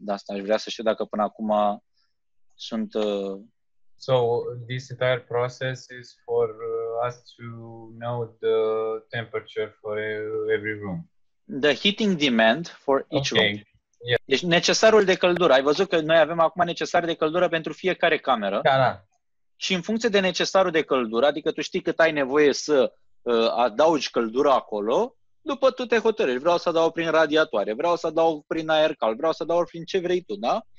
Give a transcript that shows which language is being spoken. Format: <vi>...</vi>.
<ro>De asta aș vrea să știu dacă până acum sunt...</ro> <en>So, this entire process is for us to know the temperature for every room. The heating demand for each room. Yeah.</en> <ro>Deci necesarul de căldură. Ai văzut că noi avem acum necesar de căldură pentru fiecare cameră. Da, da. Și în funcție de necesarul de căldură, adică tu știi cât ai nevoie să adaugi căldură acolo, după tu te hotărăști. Vreau să dau prin radiatoare, vreau să dau prin aer cald, vreau să dau prin ce vrei tu, da?</ro>